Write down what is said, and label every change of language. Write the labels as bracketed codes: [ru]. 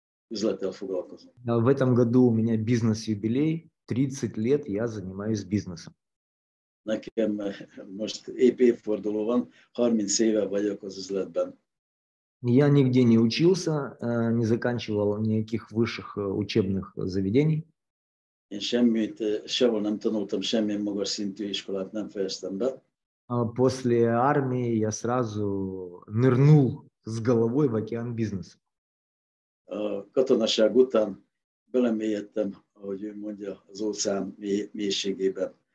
[ru] В этом году у меня бизнес-юбилей, 30 лет я занимаюсь бизнесом. [hu] Nekem most épp évforduló van, 30 éve vagyok az üzletben. [ru] Я нигде не учился, не заканчивал никаких высших учебных заведений. [hu] Én semmit, sehol nem tanultam, semmilyen magas szintű iskolát nem fejeztem be. [ru] После армии я сразу нырнул с головой в океан бизнеса. [hu] Katonaság után belemélyedtem, ahogy ő mondja, az óceán mélységében.